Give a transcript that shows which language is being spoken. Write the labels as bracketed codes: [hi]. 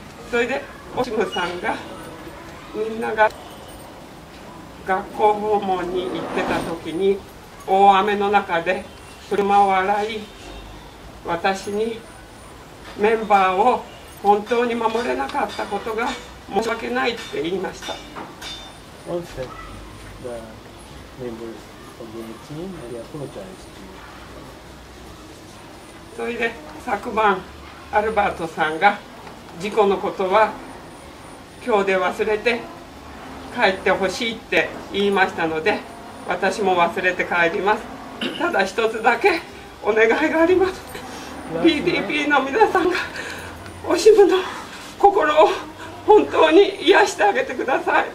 [ja] それでオシムさんがみんなが学校訪問に行ってた時に大雨の中で車を洗い、私にメンバーを本当に守れなかったことが申し訳ないって言いました。 [en] One said the members of the team, they apologized to you. [ja] それで昨晩アルバートさんが事故のことは今日で忘れて帰ってほしいって言いましたので私も忘れて帰ります。ただ一つだけお願いがあります。PDP の皆さんがオシムの心を本当に癒してあげてください。